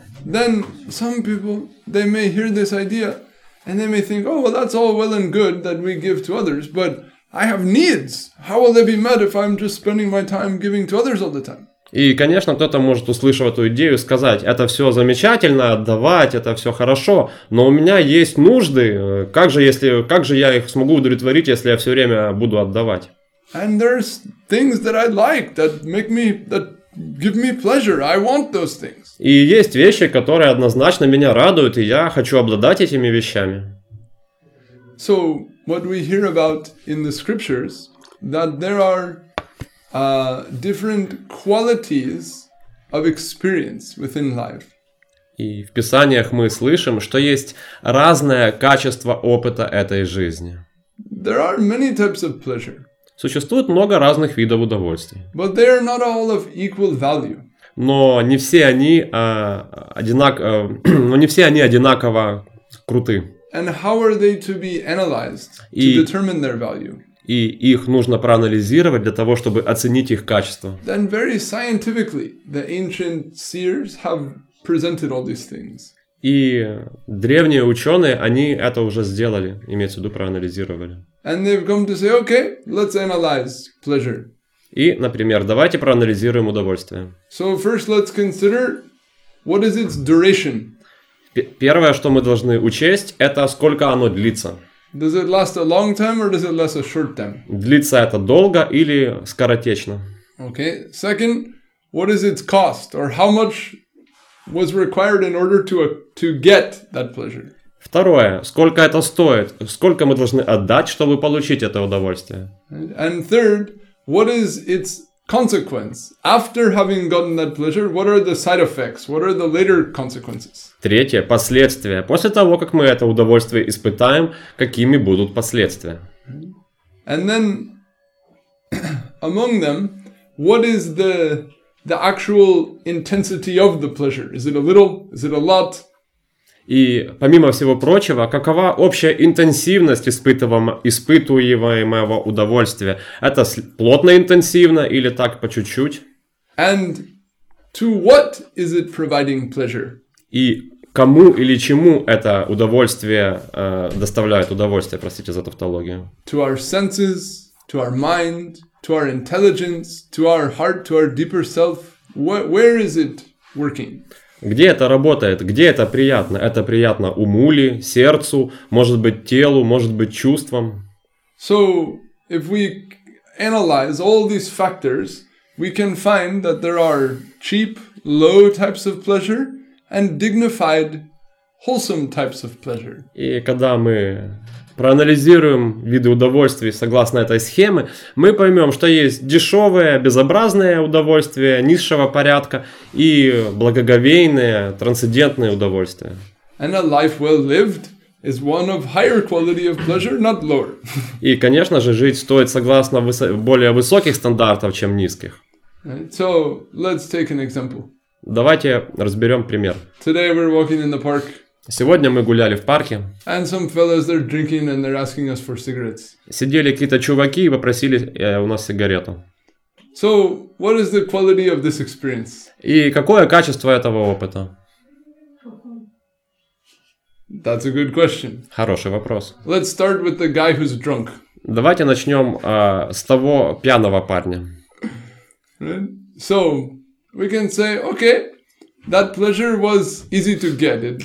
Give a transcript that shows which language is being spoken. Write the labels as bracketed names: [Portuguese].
[English] Then some people, they may hear this idea And they may think, oh, well, that's all well and good that we give to others, but I have needs. How will they be met if I'm just spending my time giving to others all the time? [Russian] И, конечно, кто-то может услышать эту идею и сказать, это все замечательно, отдавать, это все хорошо, но у меня есть нужды, как же я их смогу удовлетворить, если я все время буду отдавать? [English] And there's things that I like, that give me pleasure, I want those things. [Russian] И есть вещи, которые однозначно меня радуют, и я хочу обладать этими вещами. [English] So, what we hear about in the scriptures, that there are different qualities of experience within life. [Russian] И в писаниях мы слышим, что есть разное качество опыта этой жизни. [English] There are many types of pleasure. [Russian] Существует много разных видов удовольствий. [English] But they are not all of equal value. [Russian] Но не все они одинаково круты. [English] And how are they to be analyzed to determine their value? [Russian] И их нужно проанализировать для того, чтобы оценить их качество. [English] Then very scientifically, the ancient seers have presented all these things. [Russian] И древние ученые, они это уже сделали, имеется в виду, проанализировали. [English] And they've come to say, okay, let's analyze pleasure. [Russian] И, например, давайте проанализируем удовольствие. [English] So first let's consider what is its duration. [Russian] Первое, что мы должны учесть, это сколько оно длится. [English] Does it last a long time or does it last a short time? [Russian] Длится это долго или скоротечно? [English] Okay. Second, what is its cost or how much was required in order to get that pleasure? [Russian] Второе, сколько это стоит? Сколько мы должны отдать, чтобы получить это удовольствие? [English] And third, what is its consequence? After having gotten that pleasure, what are the side effects? What are the later consequences? [Russian] Третье, последствия. После того, как мы это удовольствие испытаем, какими будут последствия? [English] And then, among them, what is the actual intensity of the pleasure? Is it a little? Is it a lot? [Russian] И, помимо всего прочего, какова общая интенсивность испытываемого удовольствия? Это плотно интенсивно или так по чуть-чуть? [English] And to what is it providing pleasure? [Russian] И кому или чему это удовольствие доставляет удовольствие, простите за тавтологию? [English] To our senses, to our mind, to our intelligence, to our heart, to our deeper self. Where is it working? [Russian] Где это работает? Где это приятно? Это приятно уму ли, сердцу, может быть, телу, может быть, чувствам? [English] So, if we analyze all these factors, we can find that there are cheap, low types of pleasure and dignified, wholesome types of pleasure. [Russian] И когда мы проанализируем виды удовольствий согласно этой схеме, мы поймем, что есть дешевое, безобразное удовольствие низшего порядка и благоговейное, трансцендентное удовольствие. [English] And a life well lived is one of higher quality of pleasure, not lower. [Russian] И, конечно же, жить стоит согласно более высоких стандартов, чем низких. [English] So, let's take an example. [Russian] Давайте разберем пример. [English] Today we're walking in the park. [Russian] Сегодня мы гуляли в парке. [English] And some fellas, they're drinking and they're asking us for cigarettes. [Russian] Сидели какие-то чуваки и попросили у нас сигарету. [English] So, what is the quality of this experience? [Russian] И какое качество этого опыта? [English] That's a good question. [Russian] Хороший вопрос. [English] Let's start with the guy who's drunk. [Russian] Давайте начнем с того пьяного парня. [English] Right? So, we can say, okay. That pleasure was easy to get.